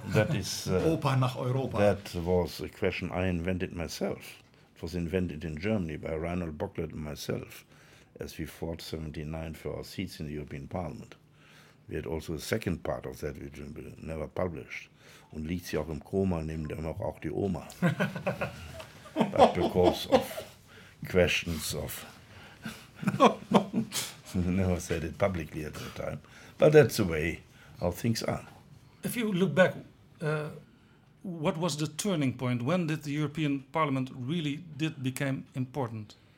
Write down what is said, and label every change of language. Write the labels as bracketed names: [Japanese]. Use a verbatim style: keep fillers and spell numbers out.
[English] that is, uh, [German] opa nach Europa. [English] That was a question I invented myself. It was invented in Germany by Reinhold Bocklet and myself as we fought seventy-nine for our seats in the European Parliament. We had also a second part of that which we never published. [German] Und liegt sie auch im Koma, nimmt auch auch die Oma. [English] But because of... questions of never said it publicly at the time, but that's the way how things are. If you look back, uh, what was the turning point? When did the European Parliament really did became important?